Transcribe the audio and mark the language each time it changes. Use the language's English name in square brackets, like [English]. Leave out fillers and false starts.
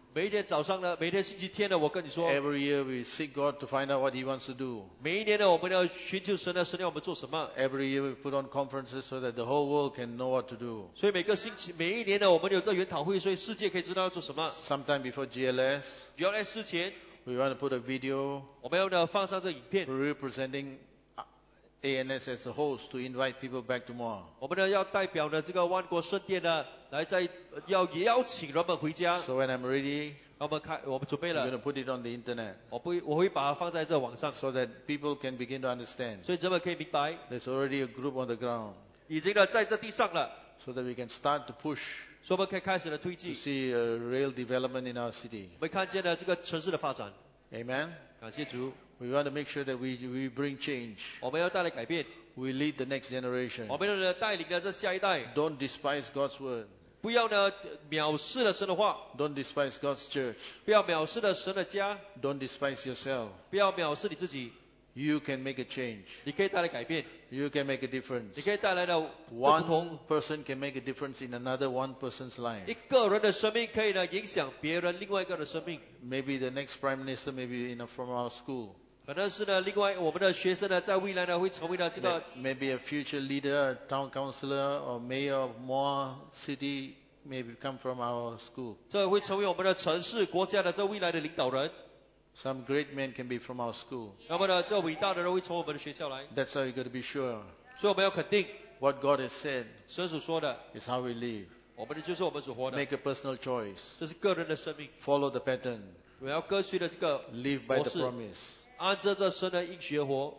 [Chinese] 每一天早上呢，每天星期天呢，我跟你说。 [English] Every year we seek God to find out what He wants to do. [Chinese] 每一年呢，我们要寻求神呢，神要我们做什么 [English] ？Every year we put on conferences so that the whole world can know what to do. [Chinese] 所以每个星期，每一年呢，我们有这研讨会，所以世界可以知道要做什么。 [English] Sometime before GLS. [Chinese] GLS 之前。 [English] We want to put a video. [Chinese] 我们要呢放上这影片。 [English] Representing ANS as a host to invite people back tomorrow. [Chinese] 我们呢要代表呢这个万国圣殿呢。来再要邀请人们回家。 [English] So when I'm ready, [Chinese] 我们准备了。 [English] I'm going to put it on the internet. [Chinese] 我会把它放在这网上。 [English] So that people can begin to understand. [Chinese] 所以人们可以明白。 [English] There's already a group on the ground. [Chinese] 已经呢在这地上了。 [English] So that we can start to push. [Chinese] 所以我们可以开始了推进。 [English] To see a real development in our city. [Chinese] 我们看见了这个城市的发展。 [English] Amen. [Chinese] 感谢主。 [English] We want to make sure that we bring change. [Chinese] 我们要带来改变。 [English] We lead the next generation. [Chinese] 我们带领了这下一代。 [English] Don't despise God's word. [Chinese] 不要呢藐视了神的话。 [English] Don't despise God's church. [Chinese] 不要藐视了神的家。 [English] Don't despise yourself. [Chinese] 不要藐视你自己。 [English] You can make a change. [Chinese] 你可以带来改变。 [English] You can make a difference. [Chinese] 你可以带来的不 [English] 同。One person can make a difference in another one person's life. [Chinese] 一个人的生命可以呢影响别人另外一个的生命。 [English] Maybe the next prime minister may be from our school. [Chinese] 可能是呢，另外我们的学生呢，在未来呢，会成为了这个。 [English] Maybe a future leader, a town councillor, or mayor of more city, maybe come from our school. [Chinese] 这会成为我们的城市、国家的这未来的领导人。 [English] Some great men can be from our school. [Chinese] 那么呢，这伟大的人会从我们的学校来。 [English] That's how you got to be sure. [Chinese] 所以我们要肯定。 [English] What God has said. [Chinese] 神所说的。 [English] Is how we live. [Chinese] 我们的就是我们所活的。 [English] Make a personal choice. [Chinese] 这是个人的生命。 [English] Follow the pattern. [Chinese] 我要跟随的这个模 [English] 式。Live by the promise. [Chinese] 按照这神的应许而活